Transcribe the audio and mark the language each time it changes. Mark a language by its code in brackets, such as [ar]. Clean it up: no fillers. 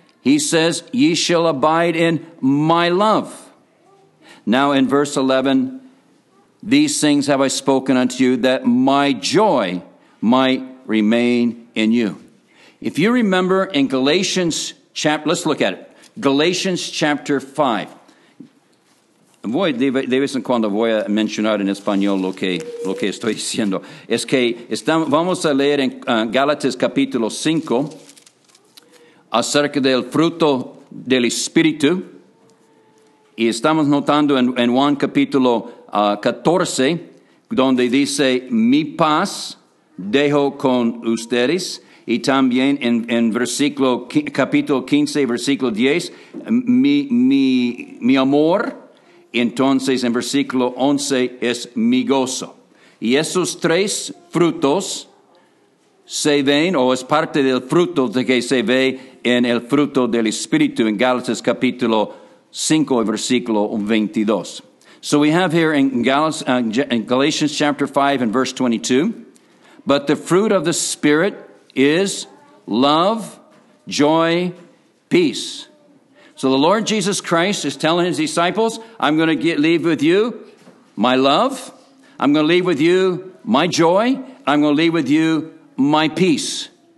[en] He says, ye shall abide in my love. Now in verse 11, these things have I spoken unto you, that my joy might remain in you. If you remember in Galatians chapter, let's look at it. Galatians chapter 5. [es] Voy, de vez en cuando voy a mencionar en español lo que estoy diciendo. Es que vamos a leer en Gálatas capítulo 5 acerca del fruto del Espíritu. Y estamos notando en Juan capítulo 14, donde dice, mi paz dejo con ustedes. Y también en versículo, capítulo 15, versículo 10, mi amor. Entonces, en versículo 11, es mi gozo. Y esos tres frutos se ven, o es parte del fruto de que se ve en el fruto del Espíritu, en Gálatas capítulo 5, versículo 22. [en] So we have here in Galatians chapter 5 and verse 22, but the fruit of the Spirit is love, joy, peace. So the Lord Jesus Christ is telling his disciples, I'm going to leave with you my love, I'm going to leave with you my joy, and I'm going to leave with you my peace.